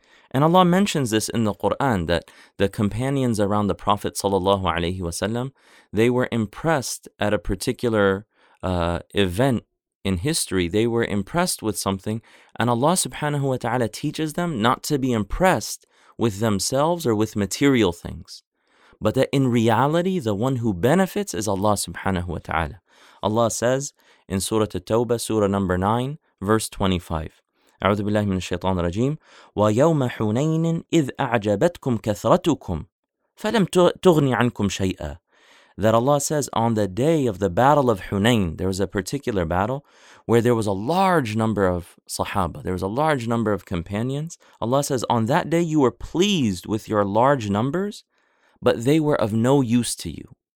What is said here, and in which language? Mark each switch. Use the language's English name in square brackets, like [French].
[English] And Allah mentions this in the Quran, that the companions around the Prophet sallallahu alayhi wa sallam, they were impressed at a particular event in history. They were impressed with something, and Allah subhanahu wa ta'ala teaches them not to be impressed with themselves or with material things. But that in reality, the one who benefits is Allah subhanahu wa ta'ala. Allah says in Surah At-Tawbah, Surah number 9, verse 25. [Arabic] أعوذ بالله من الشيطان الرجيم وَيَوْمَ حُنَيْنٍ إِذْ أَعْجَبَتْكُمْ كَثْرَتُكُمْ فَلَمْ تُغْنِ عَنْكُمْ شَيْئًا. [English] That Allah says, on the day of the battle of Hunayn, there was a particular battle where there was a large number of sahaba, there was a large number of companions. Allah says, on that day you were pleased with your large numbers, but they were of no use to you.